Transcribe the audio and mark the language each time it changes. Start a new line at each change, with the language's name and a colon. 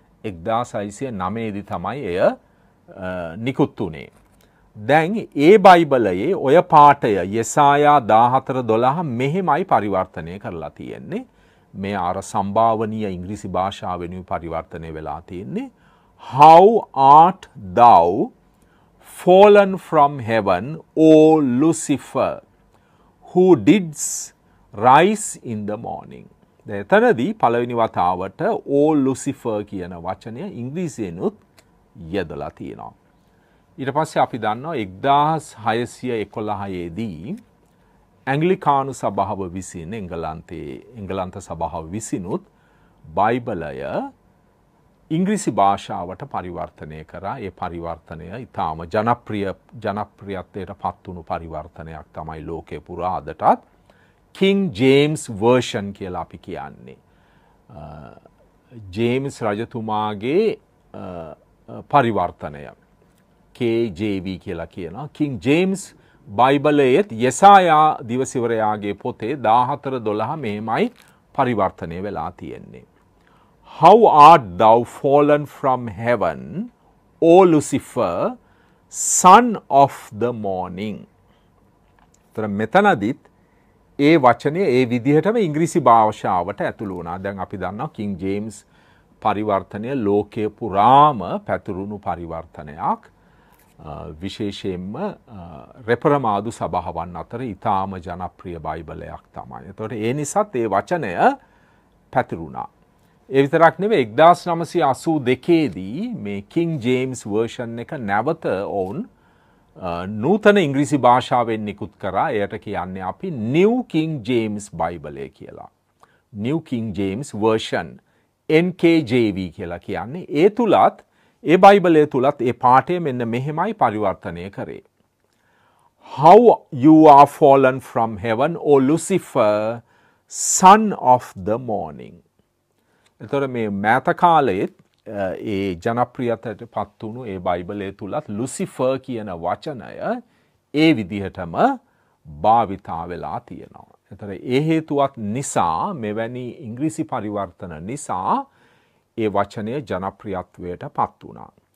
Sinhala: 1609 තමයි එය නිකුත් වුණේ. දැන් ඒ බයිබලයේ ඔය පාඨය යසායා 14:12 මෙහෙමයි පරිවර්තනය කරලා තියෙන්නේ. මේ අර සම්භාවනීය ඉංග්‍රීසි භාෂාවෙනුයි පරිවර්තනය වෙලා තියෙන්නේ.
English: How art thou fallen from heaven, O Lucifer, who didst rise in the morning?
Sinhala: එතනදී පළවෙනි වතාවට O Lucifer කියන වචනය ඉංග්‍රීසියෙනුත් යෙදලා තියෙනවා. ඊට පස්සේ අපි දන්නවා 1611 ඇංගලිකානු සභාව විසින් එංගලන්තයේ එංගලන්ත සභාව විසිනුත් බයිබලය ඉංග්‍රීසි භාෂාවට පරිවර්තනය කරා. ඒ පරිවර්තනය ඉතාම ජනප්‍රියත්වයට පත්වුණු පරිවර්තනයක් තමයි ලෝකේ පුරා අදටත් කිං ජේම්ස් වර්ෂන් කියලා අපි කියන්නේ. ජේම්ස් රජතුමාගේ පරිවර්තනය KJV කියලා කියනවා. කිං ජේම්ස් බයිබලයේත් යසායා දිවසිවරයාගේ පොතේ 14:12 මෙහෙමයි පරිවර්තනය වෙලා තියෙන්නේ.
English: How art thou fallen from heaven, O Lucifer, son of the morning?
Sinhala: මෙතනදිත් ඒ වචනේ ඒ විදිහටම ඉංග්‍රීසි භාෂාවට ඇතුළු වුණා. දැන් අපි දන්නවා කිං ජේම්ස් පරිවර්තනය ලෝකේ පුරාම පැතුරුණු පරිවර්තනයක්. විශේෂයෙන්ම රෙපරමාදු සභාවන් අතර ඉතාම ජනප්‍රිය බයිබලයක් තමයි. එතකොට ඒ නිසාත් ඒ වචනය පැතිරුණා. ඒ විතරක් නෙවෙයි 1982 මේ කිං ජේම්ස් වර්ෂන් එක නැවත ඔවුන් නූතන ඉංග්‍රීසි භාෂාවෙන් නිකුත් කරා. එයට කියන්නේ අපි නිව් කිං ජේම්ස් බයිබලය කියලා. නිව් කිං ජේම්ස් වර්ෂන් NKJV කියලා කියන්නේ. ඒ තුලත් ඒ බයිබලය තුළත් ඒ පාඨය මෙන්න මෙහෙමයි පරිවර්තනය කරේ.
English: How you are fallen from heaven, O Lucifer, son of the morning.
Sinhala: එතකොට මේ මෑත කාලයේ ඒ ජනප්‍රියතට පත්වුණු ඒ බයිබලය තුළත් ලුසිෆර් කියන වචනය ඒ විදිහටම භාවිතා වෙලා තියෙනවා. එතකොට ඒ හේතුවත් නිසා මෙවැනි ඉංග්‍රීසි පරිවර්තන නිසා ඒ වචනය ජනප්‍රියත්වයට පත් වුණා.